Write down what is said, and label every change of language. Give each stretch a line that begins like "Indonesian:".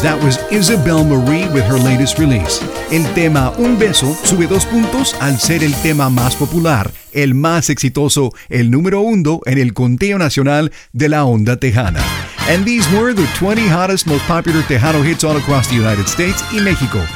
English: That was Isabel Marie with her latest release.
Spanish: El tema Un Beso sube dos puntos al ser el tema más popular, el más exitoso, el número uno en el conteo nacional de la onda tejana.
English: And these were the 20 hottest, most popular Tejano hits all across the United States
Spanish: y México.